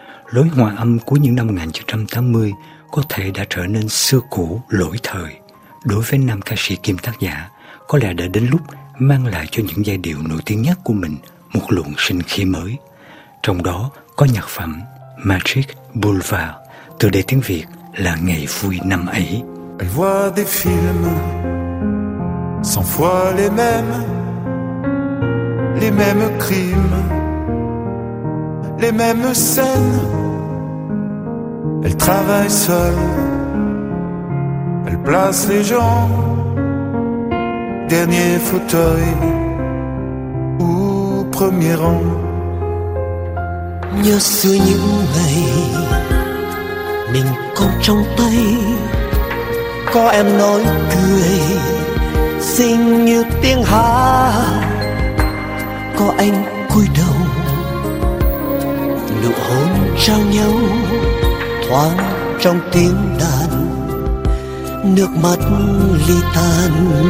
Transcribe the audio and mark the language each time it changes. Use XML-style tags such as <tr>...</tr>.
<vi>Lối hòa âm cuối những năm 1980 có thể đã trở nên xưa cũ, lỗi thời. Đối với nam ca sĩ kiêm tác giả, có lẽ đã đến lúc mang lại cho những giai điệu nổi tiếng nhất của mình một luồng sinh khí mới. Trong đó có nhạc phẩm Magic Boulevard, tựa đề tiếng Việt là Ngày Vui Năm Ấy.</vi> <fr>Elle voit des films, cent fois les mêmes crimes, les mêmes scènes. Elle travaille seule, elle place les gens, dernier fauteuil ou premier rang.</fr> <vi>Nhớ xưa những ngày mình còn trong tay, có em nói cười xinh như tiếng hà, có anh cúi đầu nụ hôn trao nhau thoáng trong tiếng đàn, nước mắt ly tan.</vi>